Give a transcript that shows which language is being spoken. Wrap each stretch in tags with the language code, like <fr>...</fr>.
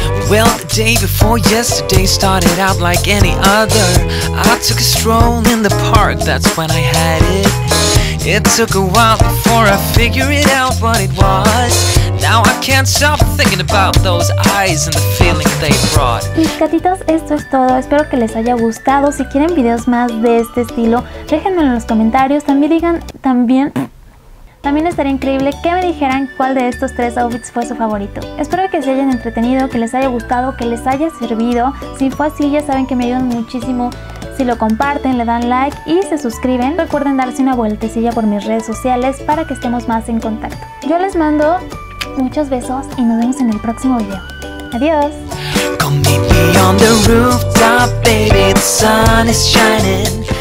<en>Well, the day before yesterday started out like any other. I took a stroll in the park, that's when I had it. It took a while before I figured it out what it was. Now I can't stop thinking about those eyes and the feeling they brought.</en> <es>Mis gatitos, esto es todo. Espero que les haya gustado. Si quieren videos más de este estilo, déjenmelo en los comentarios. También digan, También estaría increíble que me dijeran cuál de estos tres outfits fue su favorito. Espero que se hayan entretenido, que les haya gustado, que les haya servido. Si fue así, ya saben que me ayudan muchísimo si lo comparten, le dan like y se suscriben. Recuerden darse una vueltecilla por mis redes sociales para que estemos más en contacto. Yo les mando muchos besos y nos vemos en el próximo video. ¡Adiós!</es> <en>Come meet me on the rooftop, baby. The sun is shining.</en>